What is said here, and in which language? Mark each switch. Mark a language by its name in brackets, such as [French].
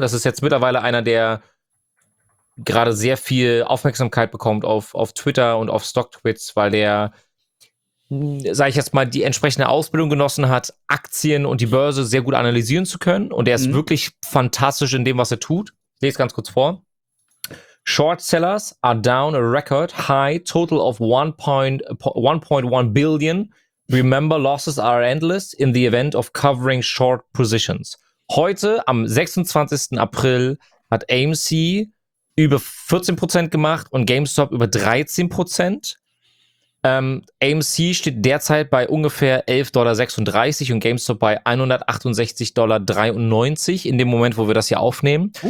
[German] Das ist jetzt mittlerweile einer, der gerade sehr viel Aufmerksamkeit bekommt auf Twitter und auf Stocktwits, weil der, sag ich jetzt mal, die entsprechende Ausbildung genossen hat, Aktien und die Börse sehr gut analysieren zu können. Und der ist wirklich fantastisch in dem, was er tut. Ich lese ganz kurz vor. [English] Short sellers are down a record high total of 1.1 billion. Remember, losses are endless in the event of covering short positions. [German] Heute, am 26. April, hat AMC über 14% gemacht und GameStop über 13%. AMC steht derzeit bei ungefähr $11.36 und GameStop bei $168.93 in dem Moment, wo wir das hier aufnehmen.